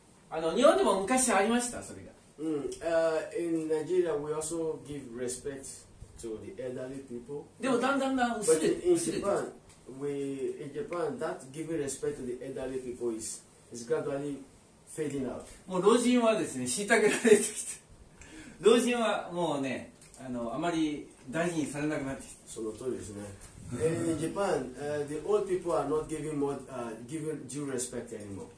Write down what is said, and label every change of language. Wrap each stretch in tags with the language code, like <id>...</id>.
<ja>日本でも昔ありました、それが。</ja> <en>In Nigeria, we also give respect to the elderly people.</en> <ja>でもだんだんだん薄れて。</ja> <en>In Japan, that giving respect to the elderly people is gradually fading out.</en> <ja>もう老人はですね、虐げられてきて。老人はもうね、あまり大事にされなくなってきて。その通りですね。</ja> <en>In Japan, the old people are not giving more, giving due respect anymore.</en>